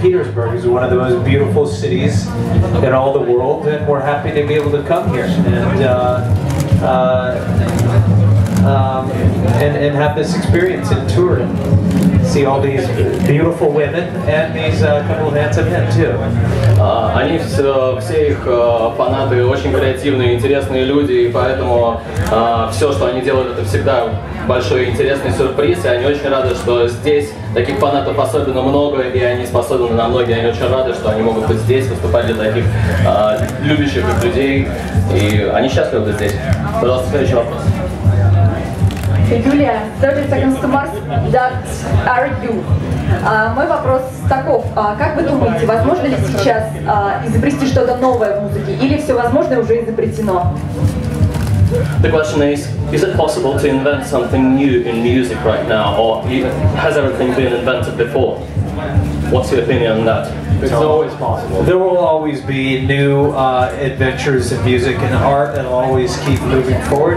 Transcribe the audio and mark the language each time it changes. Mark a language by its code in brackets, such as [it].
[en] Petersburg, which is one of the most beautiful cities in all the world, and we're happy to be able to come here. And, and have this experience and tour and see all these beautiful women and these couple of handsome men too. [ru] Они все их фанаты очень креативные, интересные люди, и поэтому все, что они делают, это всегда большой интересный сюрприз, и они очень рады, что здесь таких фанатов особенно много, и они способны на многие, они очень рады, что они могут быть здесь, выступать для таких любящих их людей, и они счастливы быть здесь. Пожалуйста, следующий вопрос. [en] Юлия, 30 seconds to Mars, that are you. [ru] Мой вопрос таков. Как вы думаете, возможно ли сейчас изобрести что-то новое в музыке, или все возможное уже изобретено? [en] The question is it possible to invent something new in music right now, or even has everything been invented before? What's your opinion on that? It's always possible. There will always be new adventures in music and art, and always keep moving forward.